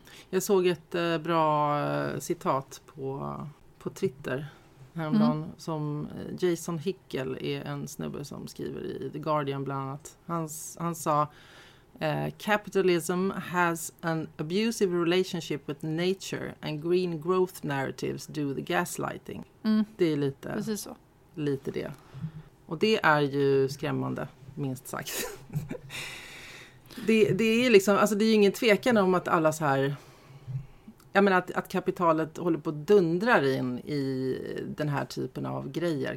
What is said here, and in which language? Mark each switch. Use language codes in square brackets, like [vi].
[sv] Jag såg ett bra citat på Twitter häromdagen som Jason Hickel är en snubbe som skriver i The Guardian bland annat. [en] Han sa, capitalism has an abusive relationship with nature and green growth narratives do the gaslighting. Mm. [sv] Det är lite, precis så. Lite det. Och det är ju skrämmande. Minst sagt. Det är liksom, alltså det är ju ingen tvekan om att alla så här, jag menar att kapitalet håller på att dundra in i den här typen av grejer.